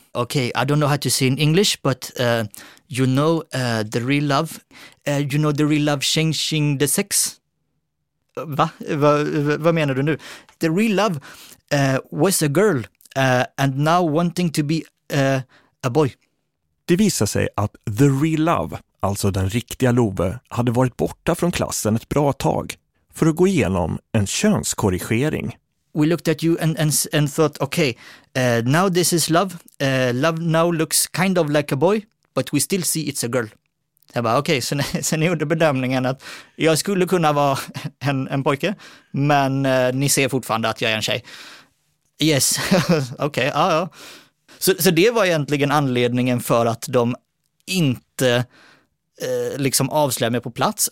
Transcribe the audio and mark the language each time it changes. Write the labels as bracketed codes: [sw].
[en] Okay, I don't know how to say in English, but you know the real love. You know the real love changing the sex? [sv] Va? Vad menar du nu? [en] The real love was a girl and now wanting to be a boy. [sv] Det visar sig att [en] the real love, [sv] alltså den riktiga Love, hade varit borta från klassen ett bra tag för att gå igenom en könskorrigering. [en] We looked at you and thought, okay, now this is love. Love now looks kind of like a boy, but we still see it's a girl. [sv] Jag bara, okej, okay, så ni gjorde bedömningen att jag skulle kunna vara en pojke, men ni ser fortfarande att jag är en tjej. Yes, okej, okay, ja. Så det var egentligen anledningen för att de inte liksom avslöjade mig på plats.